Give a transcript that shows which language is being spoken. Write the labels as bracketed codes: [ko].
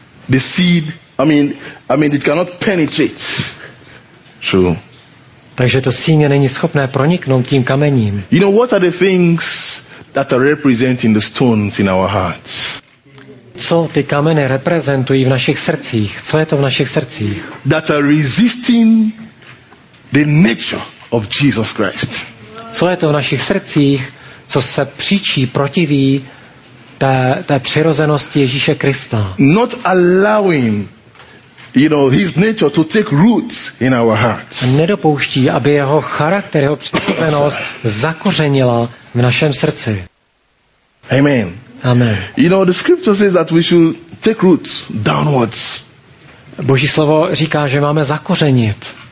[en] The seed, I mean it cannot penetrate. True. [cs] Takže to símě není schopné proniknout tím kamením. [en] You know what are the things that are representing the stones in our hearts? [cs] Co ty kameny reprezentují v našich srdcích? Co je to v našich srdcích? [en] That are resisting the nature of Jesus Christ. [cs] Co je to v našich srdcích, co se příčí, protiví té přirozenosti Ježíše Krista? [en] Not allowing, you know, his nature to take roots in our hearts. [cs] Nedopouští, aby jeho charakter, jeho přirozenost zakořenila v našem srdci. Amen. Amen. [en] You know, the scripture says that we should take roots downwards. [cs] Boží slovo říká, že máme zakořenit.